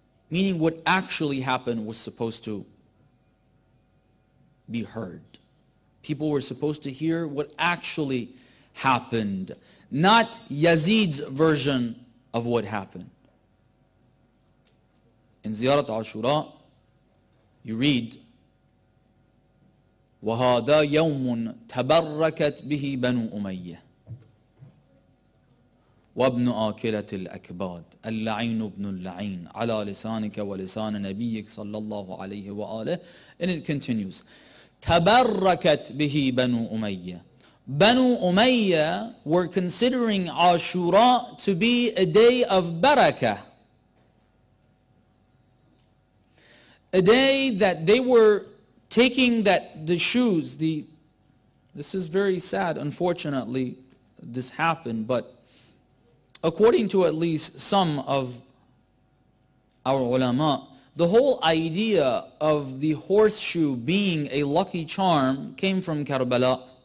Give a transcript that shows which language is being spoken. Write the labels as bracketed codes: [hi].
[en] Meaning what actually happened was supposed to be heard. People were supposed to hear what actually happened, not Yazid's version of what happened. In Ziyarat Ashura, you read, [ar] وَهَذَا يَوْمٌ تَبَرَّكَتْ بِهِ بَنُوا أُمَيَّةِ وَابْنُ آكِلَةِ الْأَكْبَادِ اللَّعِينُ بْنُ اللَّعِينَ عَلَى لِسَانِكَ وَلِسَانَ نَبِيِّكَ صَلَّى اللَّهُ عَلَيْهِ وَآلِهِ. [en] And it continues, [ar] تَبَرَّكَتْ بِهِ بَنُوا أُمَيَّةِ. [en] Banu Umayyah were considering Ashura to be a day of barakah, a day that they were taking that the shoes, the, this is very sad, unfortunately, this happened, but according to at least some of our ulama, the whole idea of the horseshoe being a lucky charm came from Karbala.